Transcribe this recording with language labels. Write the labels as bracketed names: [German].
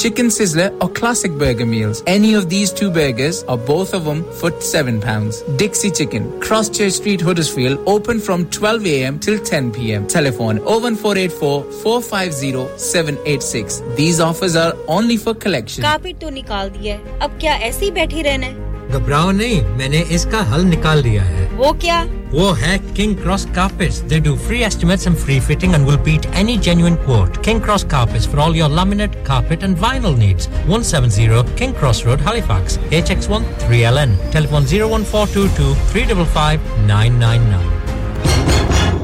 [English] Chicken sizzler or classic burger meals, any of these 2 burgers or both of them for £7. Dixie Chicken Cross Chair Street Huddersfield open from 12 a.m. till 10 p.m. Telephone 01484-450-786. These offers are only for collection. [Hindi] Carpet to nikal diya hai. Ab kya aise hi baithi rehna hai? घबराओ नहीं मैंने इसका हल निकाल दिया है वो क्या वो है [English] King Cross Carpets they do free estimates and free fitting and will beat any genuine quote King Cross Carpets for all your laminate carpet and vinyl needs 170 King Cross Road Halifax HX1 3LN telephone 01422 355 999